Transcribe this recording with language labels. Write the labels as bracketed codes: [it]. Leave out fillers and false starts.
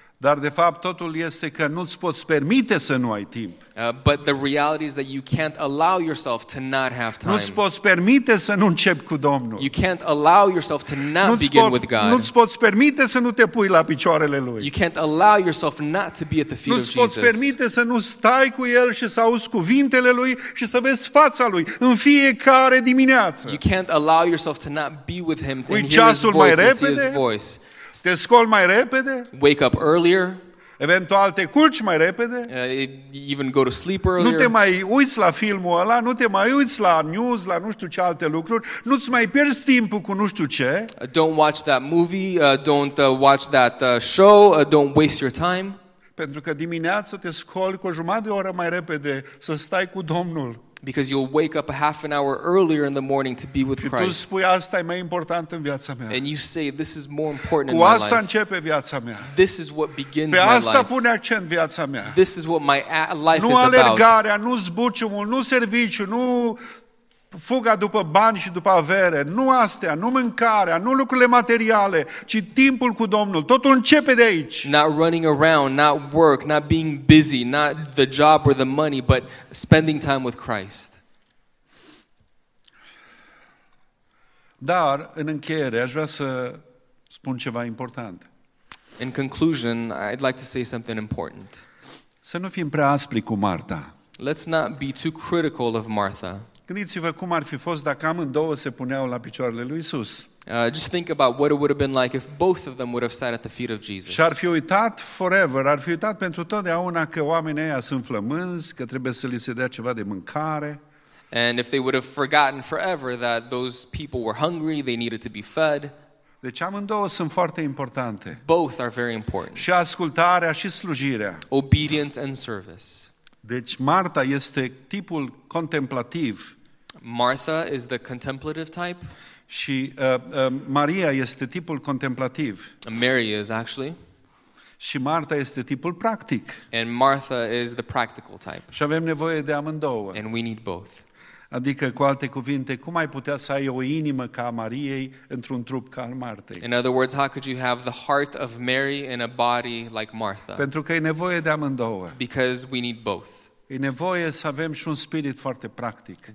[ro] Dar de fapt totul este că nu ți poți permite să nu ai timp. [en] But the reality is that you can't allow yourself to not have time. [ro] Nu ți poți permite să nu începi cu Domnul. [en] You can't allow yourself to not begin with God. [ro] Nu ți poți permite să nu te pui la picioarele lui. [en] You can't allow yourself not to be at the feet of [ro] Jesus. Nu ți poți permite să nu stai cu el și să auzi cuvintele lui și să vezi fața lui în fiecare dimineață. [en] You can't allow yourself to not be with him and hear his voice. [ro] Mai repede. Te scol mai repede? [en] Wake up earlier. [ro] Eventual te culci mai repede? [en] Even go to sleep earlier. [ro] Nu te mai uiți la filmul ăla, nu te mai uiți la news, la nu știu ce alte lucruri, nu-ți mai pierzi timpul cu nu știu ce. [en] Don't watch that movie, don't watch that show, don't waste your time. [ro] Pentru că dimineața te scoli cu o jumătate de oră mai repede să stai cu Domnul. [en] Because you'll wake up a half an hour earlier in the morning to be with Christ. [ro] Și tu spui, asta e mai important în viața mea. [en] And you say, this is more important in my life. [ro] Cu asta începe viața mea. [en] This is what begins my life. [ro] Pe asta pune accent viața mea. [en] This is what my life [ro] nu [en] is about. [ro] Nu alergarea, nu zbuciumul, nu serviciu, nu fuga după bani și după avere, nu astea, nu mâncarea, nu lucrurile materiale, ci timpul cu Domnul. Totul începe de aici. [en] Not running around, not work, not being busy, not the job or the money, but spending time with Christ. [ro] Dar, în încheiere, aș vrea să spun ceva important. [en] In conclusion, I'd like to say something important. [ro] Să nu fim prea aspri cu Marta. [en] Let's not be too critical of Martha. [ro] Gândiți-vă cum ar fi fost dacă amândouă se puneau la picioarele lui Iisus. [en] Just think about what it would have been like if both of them would have sat at the feet of Jesus. [ro] Și ar fi uitat forever, ar fi uitat pentru totdeauna că oamenii ăia sunt flămânzi, că trebuie să li se dea ceva de mâncare. [en] And if they would have forgotten forever that those people were hungry, they needed to be fed. [ro] Deci amândouă sunt foarte importante. [en] Both are very important. [ro] Și ascultarea și slujirea. [en] Obedience and service. [ro] Deci Marta este tipul contemplativ. [en] Martha is the contemplative type. [ro] Și Maria este tipul contemplativ. [en] Mary is actually. [ro] Și Marta este tipul practic. [en] And Martha is the practical type. [ro] Și avem nevoie de amândouă. [en] And we need both. [ro] Adică, cu alte cuvinte, cum ai putea să ai o inimă ca a Mariei într-un trup ca al Martei? [en] In other words, how could you have the heart of Mary in a body like Martha? [ro] Pentru că e nevoie de amândouă. [en] Because we need both. [ro] E nevoie să avem și un spirit foarte practic.